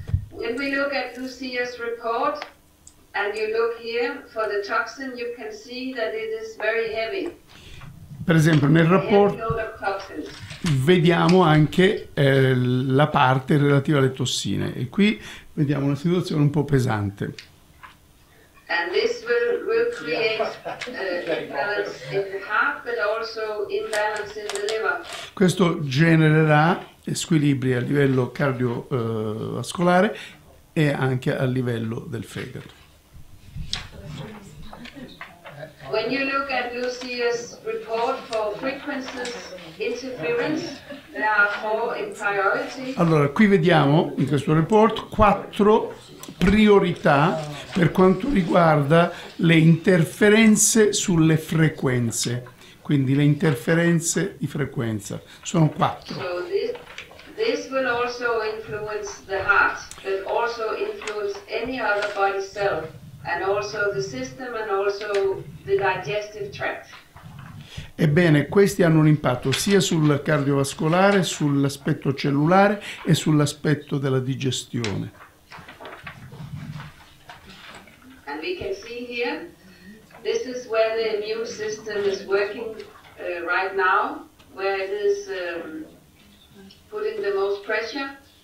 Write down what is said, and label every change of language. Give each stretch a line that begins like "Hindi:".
English: When we look at Lucia's report and you look here for the toxin, you can see that it is very heavy.
Italian: Per esempio nel rapporto vediamo anche la parte relativa alle tossine e qui vediamo una situazione un po' pesante.
English: And this will create imbalance in the heart, but also imbalance in the liver.
Italian: Questo genererà squilibri a livello cardiovascolare e anche a livello del fegato.
English: When you look at Lucia's report for frequencies interference, there are four in priority.
Italian: Allora, qui vediamo in questo report quattro priorità per quanto riguarda le interferenze sulle frequenze. Quindi le interferenze di frequenza sono quattro.
English: So this will also influence the heart, but also influence any other body cell. And also the system and also the digestive tract.
Italian: Ebbene, questi hanno un impatto sia sul cardiovascolare, sull'aspetto cellulare e sull'aspetto della digestione.
English: And we can see here, this is where the immune system is working right now, where it is putting the most pressure.